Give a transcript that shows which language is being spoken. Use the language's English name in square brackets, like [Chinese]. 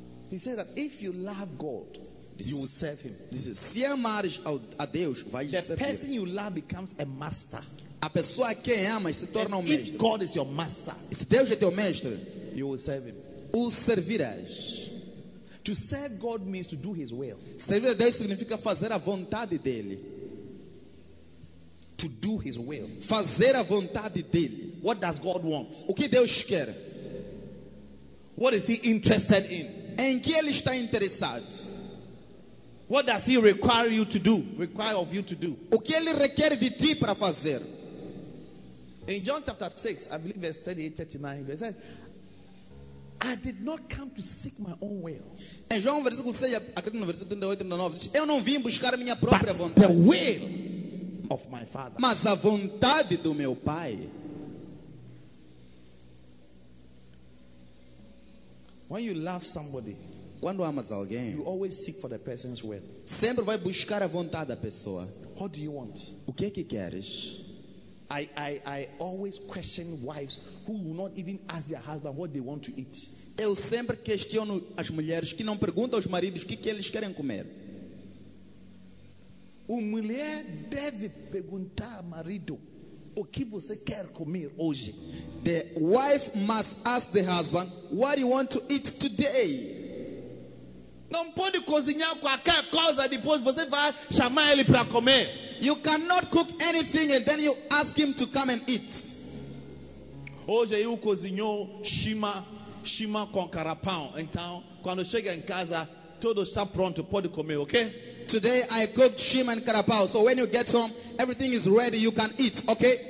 [English] He said that if you love God, you will serve him. This is, [Portuguese] se amares a Deus, vai servir. [English] The person you love becomes a master. [Portuguese] A pessoa a quem ama se torna um mestre. [English] If God is your master, [Portuguese] se Deus é teu mestre, [English] you will serve him. [Portuguese] O servirás. [English] To serve God means to do his will. [Portuguese] Servir a Deus significa fazer a vontade dele. [English] To do his will. [Portuguese] Fazer a vontade dele. [English] What does God want? [Portuguese] O que Deus quer? [English] What is he interested in? [Portuguese] Em que ele está interessado? [English] What does he require you to do? Require of you to do. [Portuguese] O que ele requer de ti para fazer? [English] In John chapter 6, I believe verse 38, 39, he said, I did not come to seek my own will. [Portuguese] Em João, versículo 6, acredito no versículo 38 e 39, diz: Eu não vim buscar a minha própria vontade. [English] The will of my Father. [Portuguese] Mas a vontade do meu Pai. [English] When you love somebody, [Portuguese] quando amas alguém, [English] you always seek for the person's will. [Portuguese] Sempre vai buscar a vontade da pessoa. [English] What do you want? [Portuguese] O que é que queres? [English] I always question wives who will not even ask their husband what they want to eat. [Portuguese] Eu sempre questiono as mulheres que não perguntam aos maridos o que, que eles querem comer. A mulher deve perguntar ao marido o que você quer comer hoje. [English] The wife must ask the husband what you want to eat today. [Portuguese] Não pode cozinhar qualquer coisa depois você vai chamar ele para comer. [English] You cannot cook anything and then you ask him to come and eat. [Portuguese] Hoje eu cozinho shima com carapau. Então, quando chega em casa, tudo está pronto, pode comer, ok? [English] Today I cooked shima and carapau. So when you get home, everything is ready, you can eat, ok?